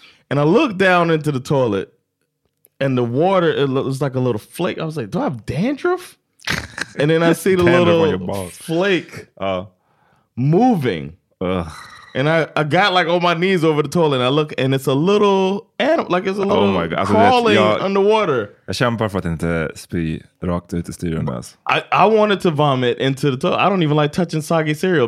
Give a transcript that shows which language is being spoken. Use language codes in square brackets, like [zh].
[en] And I looked down into the toilet and the water, it was like a little flake. I was like, do I have dandruff? And then I see the little flake moving. Ugh. And I got like on my knees over the toilet and I look and it's a little animal, like it's a little crawling underwater. [sv] Jag kämpar för att inte spy rakt ut i studion. [en] I wanted to vomit into the toilet. I don't even like touching soggy cereal.